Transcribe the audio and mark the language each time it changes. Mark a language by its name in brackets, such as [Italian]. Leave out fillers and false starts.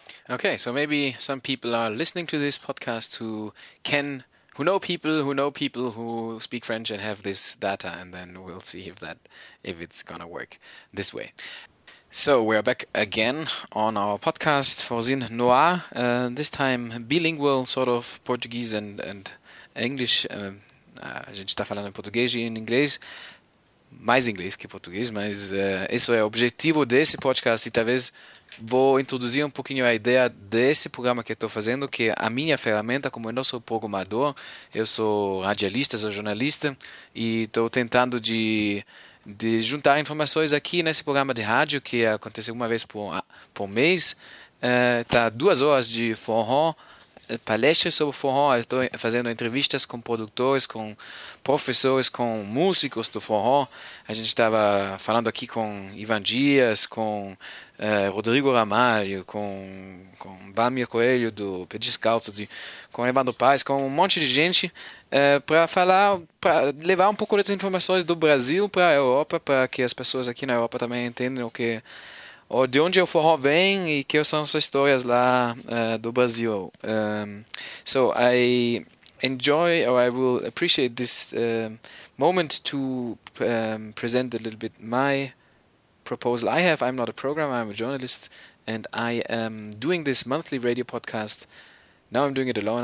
[English] Okay, so maybe some people are listening to this podcast who know people who speak French and have this data, and then we'll see if it's gonna work this way. So we're back again on our podcast Forzin Noir, this time bilingual, sort of Portuguese and English. [Portuguese] A gente está falando em português e em inglês, mais inglês que português, mas isso é o objetivo desse podcast. E talvez vou introduzir um pouquinho a ideia desse programa que estou fazendo, que a minha ferramenta, como eu não sou programador, eu sou radialista, sou jornalista, e estou tentando de juntar informações aqui nesse programa de rádio que acontece uma vez por mês. Tá 2 horas de forró, palestras sobre forró. Estou fazendo entrevistas com produtores, com professores, com músicos do forró. A gente estava falando aqui com Ivan Dias, com Rodrigo Ramalho, com Bamir Coelho do Pediscalço, com Evandro Paes, com um monte de gente. Para levar um pouco dessas informações do Brasil para a Europa, para que as pessoas aqui na Europa também entendam de onde o forró vem e que são as suas histórias lá do Brasil. [English] So I enjoy, or I will appreciate this moment to present a little bit my proposal I have. I'm not a programmer, I'm a journalist, and I am doing this monthly radio podcast. Now I'm doing it alone.